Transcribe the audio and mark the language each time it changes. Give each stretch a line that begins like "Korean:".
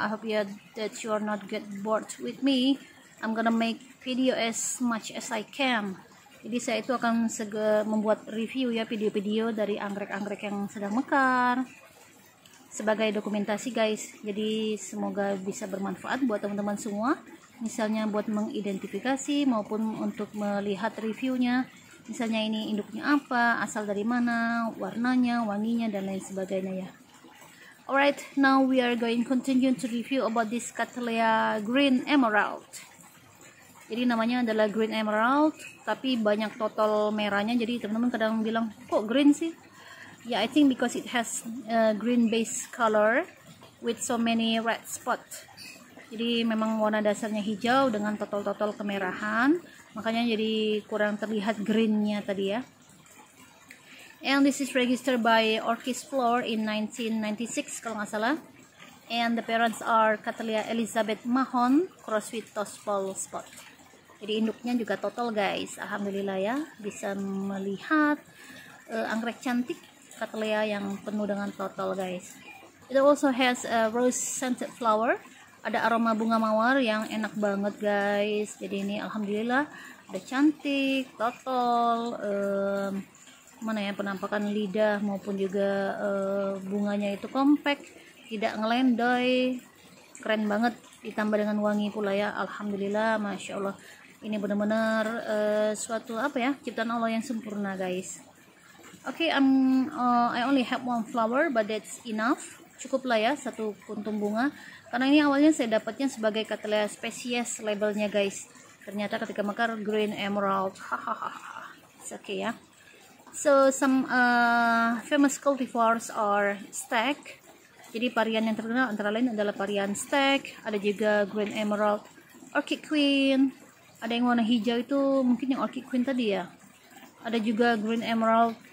English: I hope you that you are not get bored with me. I'm gonna make video as much as I can.
Indonesian: Jadi saya itu akan segera membuat review ya video-video dari anggrek-anggrek yang sedang mekar sebagai dokumentasi, guys. Jadi semoga bisa bermanfaat buat teman-teman semua, misalnya buat mengidentifikasi maupun untuk melihat reviewnya. Misalnya ini induknya apa, asal dari mana, warnanya, wanginya, dan lain sebagainya ya.
English: Alright, now we are going continue to review about this Cattleya Green Emerald.
Indonesian: Jadi namanya adalah Green Emerald, tapi banyak total merahnya. Jadi teman-teman kadang bilang, kok green sih?
English: Ya, yeah, I think because it has green base color with so many red spot.
Indonesian: Jadi memang warna dasarnya hijau dengan total-total kemerahan, makanya jadi kurang terlihat greennya tadi ya.
English: And this is registered by Orchis Flower in 1996
Indonesian: kalau nggak salah.
English: And the parents are Cattleya Elizabeth Mahon cross with Tospol Spot.
Indonesian: Jadi induknya juga total, guys. Alhamdulillah ya, bisa melihat anggrek cantik Cattleya yang penuh dengan total, guys.
English: It also has a rose scented flower.
Indonesian: Ada aroma bunga mawar yang enak banget, guys. Jadi ini alhamdulillah udah cantik, total, mana ya, penampakan lidah maupun juga bunganya itu compact, tidak ngelendoy, keren banget. Ditambah dengan wangi pula ya, alhamdulillah, masya Allah. Ini benar-benar suatu apa ya, ciptaan Allah yang sempurna, guys.
English: Okay, I only have one flower, but that's enough.
Indonesian: Cukup lah ya satu kuntum bunga, karena ini awalnya saya dapatnya sebagai Cattleya species labelnya, guys. Ternyata ketika mekar Green Emerald,
English: it's okay
Indonesian: ya.
English: So some famous cultivars are Stack.
Indonesian: Jadi varian yang terkenal antara lain adalah varian Stack, ada juga Green Emerald, Orchid Queen, ada yang warna hijau itu mungkin yang Orchid Queen tadi ya, ada juga Green Emerald.